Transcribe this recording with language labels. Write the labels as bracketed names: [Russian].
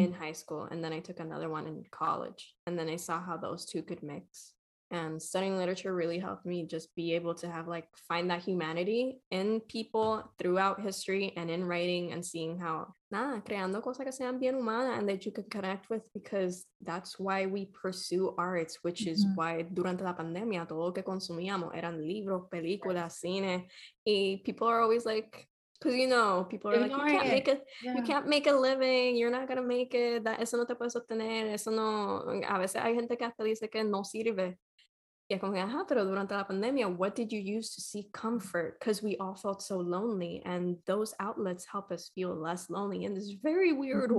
[English] in high school, and then I took another one in college, and then I saw how those two could mix. And studying literature really helped me just be able to have, like, find that humanity in people throughout history and in writing, and seeing how, [Spanish] creando cosas que sean bien humanas [English] and that you can connect with, because that's why we pursue arts, which is mm-hmm. [Spanish] why durante la pandemia todo lo que consumíamos eran libros, películas, cine. [English] Y people are always like, because, you know, people are like, you can't make a living, you're not going to make it, that [Spanish] eso no te puede sostener, eso no, a veces hay gente que hasta dice que no sirve. [English] Yeah, [Spanish] como que, ajá, pero durante la pandemia, [English] what did you use to seek comfort? Because we all felt so lonely, and those outlets help us feel less lonely in this very weird mm-hmm.